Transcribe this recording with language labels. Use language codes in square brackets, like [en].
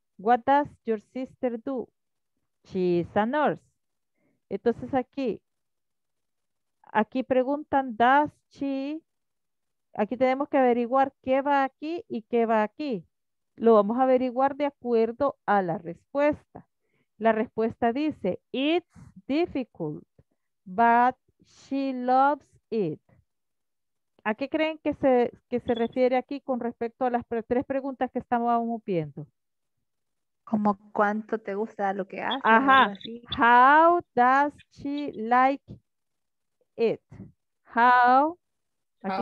[en] What does your sister do? She is a nurse. [es] Entonces aquí preguntan, [en] does she, [es] aquí tenemos que averiguar qué va aquí y qué va aquí. Lo vamos a averiguar de acuerdo a la respuesta. La respuesta dice, [en] it's difficult, but she loves it. [es] ¿A qué creen que se refiere aquí con respecto a las tres preguntas que estábamos viendo? Como cuánto te gusta lo que haces. Ajá, [en] how does she like it. [es] How, aquí